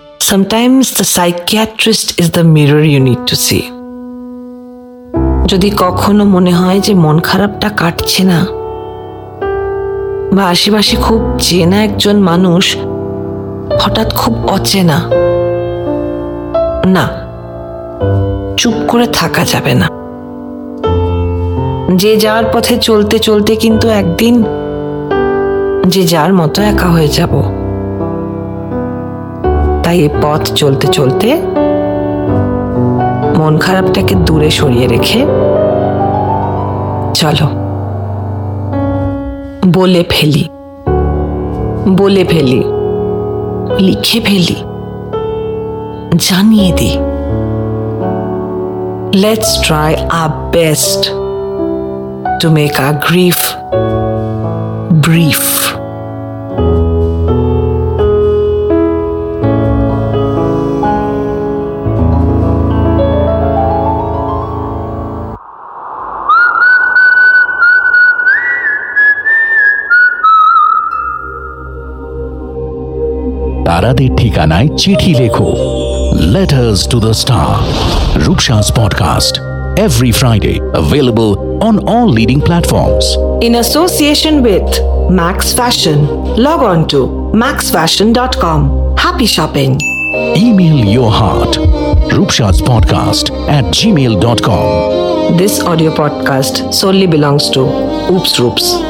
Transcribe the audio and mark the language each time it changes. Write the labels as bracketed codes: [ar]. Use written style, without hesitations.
[en] Sometimes the psychiatrist is the mirror you need to see. [bn] Jodi kokhono mone hoy je mon kharap ta katche na, ba ashibashi khub chena ekjon manush hotat khub ochena, না চুপ করে থাকা যাবে না, যে যার পথে চলতে চলতে কিন্তু একদিন যে যার মতো একা হয়ে যাব, তাই এ পথ চলতে চলতে মন খারাপটাকে দূরে সরিয়ে রেখে চলো বলে ফেলি লিখে ফেলি জানিয়ে দি। [en] Let's try our best to make our grief brief. [bn] তোমাদের ঠিকানায় চিঠি লেখো, [en] Letters to the star, Roopsha's podcast, every Friday available on all leading platforms in association with Max Fashion. Log on to maxfashion.com. Happy shopping. Email your heart roopshaspodcast@gmail.com. This audio podcast solely belongs to Oops Roops.